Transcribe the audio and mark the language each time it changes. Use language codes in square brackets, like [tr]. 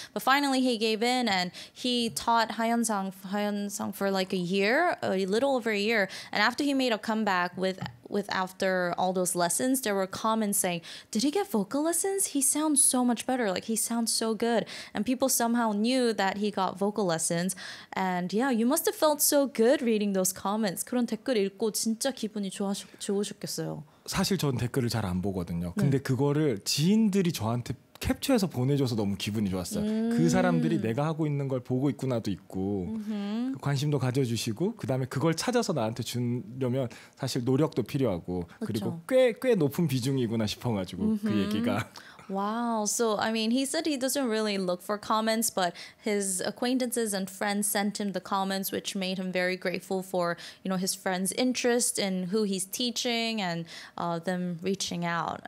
[en] But finally, he gave in and he taught 하현상 for like a year, a little over a year. And after he made a comeback with after all those lessons, there were comments saying, did he get vocal lessons? He sounds so much better. Like, he sounds so good. And people somehow knew that he got vocal lessons. And yeah, you must have felt so good reading those comments. [ko] 그런 댓글 읽고 진짜 기분이 좋으셨겠어요. 사실 전 댓글을 잘 안 보거든요. 근데 그거를 지인들이 저한테 캡처해서 보내줘서 너무 기분이 좋았어요. 그 사람들이 내가 하고 있는 걸 보고 있구나도 있고 관심도 가져주시고 그다음에 그걸 찾아서 나한테 주려면 사실 노력도 필요하고 그쵸. 그리고 꽤 높은 비중이구나 싶어가지고 그 얘기가 [en] Wow. So, I mean, he said he doesn't really look for comments, but his acquaintances and friends sent him the comments, which made him very grateful for, you know, his friends' interest in who he's teaching and them reaching out.